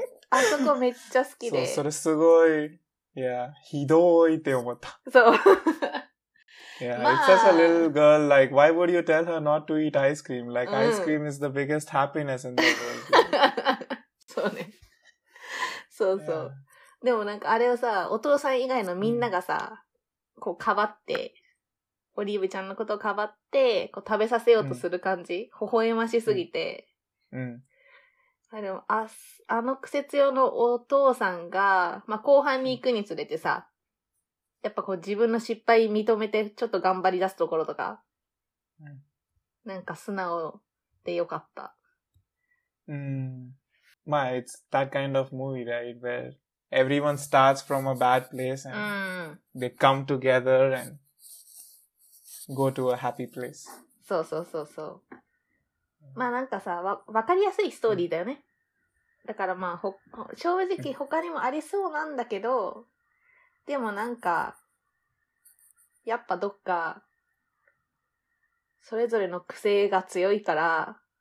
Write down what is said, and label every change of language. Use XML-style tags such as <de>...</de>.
<ja>あそこめっちゃ好きで。そう、それすごい。いや、ひどいって思った。そう。</ja> <en>いや、it's just a little girl, like, why would you tell her not to eat ice cream? Like,、うん、ice cream is the biggest happiness in the world.</en> <ja>そうね。そうそう。でもなんかあれをさ、お父さん以外のみんながさ、うん、こうかばって、オリーブちゃんのことをかばって、こう食べさせようとする感じ、うん、微笑ましすぎて。うん。うん、あ、でも、あの癖強のお父さんが、まあ、後半に行くにつれてさ、やっぱこう自分の失敗認めてちょっと頑張り出すところとか、うん、なんか素直でよかった。</ja> <en>うん。まあ、it's that kind of movie, right? Where everyone starts from a bad place and、</en> <ja>うん、</ja> <en>they come together and go to a happy place.</en> <ja>そうそうそうそう。まあなんかさ、わかりやすいストーリーだよね。うん、だからまあ、正直他にもありそうなんだけど、うん、でもなんか、やっぱどっか、それぞれの癖が強いから、</ja>